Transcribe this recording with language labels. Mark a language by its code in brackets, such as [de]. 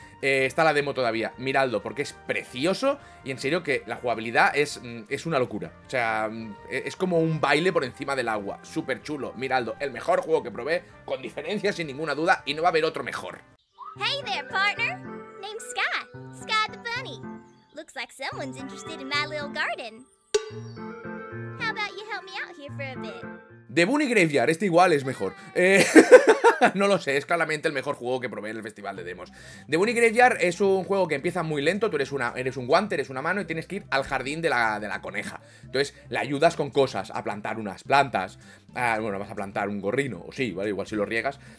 [es] Está la demo todavía, miradlo, porque es precioso. Y en serio que la jugabilidad es una locura. O sea, es como un baile por encima del agua. Súper chulo, miradlo. El mejor juego que probé, con diferencia, sin ninguna duda. Y no va a haber otro mejor. [en] Hey there, partner. Name Scott. Scott the Bunny. Looks like someone's interested in my little garden. How about you help me out here for a bit? [es] The Bunny Graveyard, este igual es mejor. No lo sé, es claramente el mejor juego que probé en el Festival de Demos. The Bunny Graveyard es un juego que empieza muy lento. Tú eres un guante, eres una mano y tienes que ir al jardín de la coneja. Entonces le ayudas con cosas, a plantar unas plantas. Bueno, vas a plantar un gorrino, o sí, ¿vale? Igual si lo riegas.